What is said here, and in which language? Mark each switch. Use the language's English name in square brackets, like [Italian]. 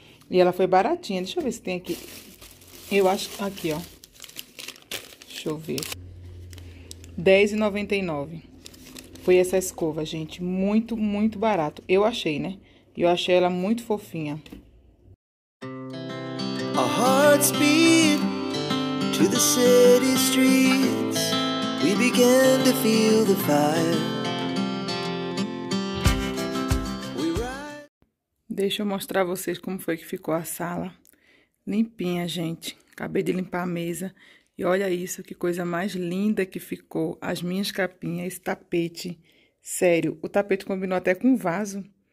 [Portuguese] E ela foi baratinha. Deixa eu ver se tem aqui. Eu acho aqui, ó. Deixa eu ver. R$ 10,99. Foi essa escova, gente. Muito, muito barato. Eu achei, né? E eu achei ela muito fofinha. [English] Our hearts beat to the city streets. We began to feel the fire. [Portuguese] Deixa eu mostrar a vocês como foi que ficou a sala. Limpinha, gente. Acabei de limpar a mesa. E olha isso, que coisa mais linda que ficou. As minhas capinhas, esse tapete. Sério, o tapete combinou até com o vaso.